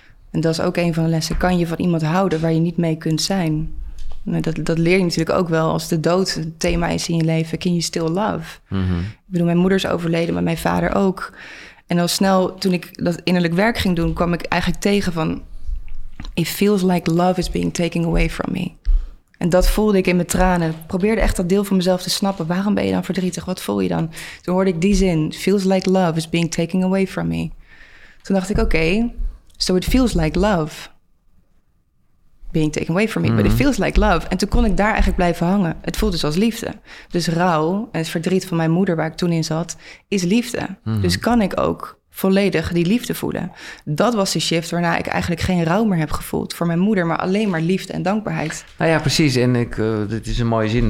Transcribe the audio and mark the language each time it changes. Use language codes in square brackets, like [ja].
[nl] En dat is ook een van de lessen. Kan je van iemand houden waar je niet mee kunt zijn? Dat leer je natuurlijk ook wel als de dood een thema is in je leven. [en] Can you still love? Mm-hmm. [nl] Ik bedoel, mijn moeder is overleden, maar mijn vader ook. En al snel, toen ik dat innerlijk werk ging doen, kwam ik eigenlijk tegen van... [en] It feels like love is being taken away from me. [nl] En dat voelde ik in mijn tranen. Ik probeerde echt dat deel van mezelf te snappen. Waarom ben je dan verdrietig? Wat voel je dan? Toen hoorde ik die zin. [en] It feels like love is being taken away from me. [nl] Toen dacht ik, oké, [en] so it feels like love... being taken away from me, but it feels like love. [nl] En toen kon ik daar eigenlijk blijven hangen. Het voelt dus als liefde. Dus rouw en het verdriet van mijn moeder waar ik toen in zat, is liefde. Mm-hmm. Dus kan ik ook volledig die liefde voelen. Dat was de shift waarna ik eigenlijk geen rouw meer heb gevoeld voor mijn moeder, maar alleen maar liefde en dankbaarheid. Nou ja, precies. En dit is een mooie zin.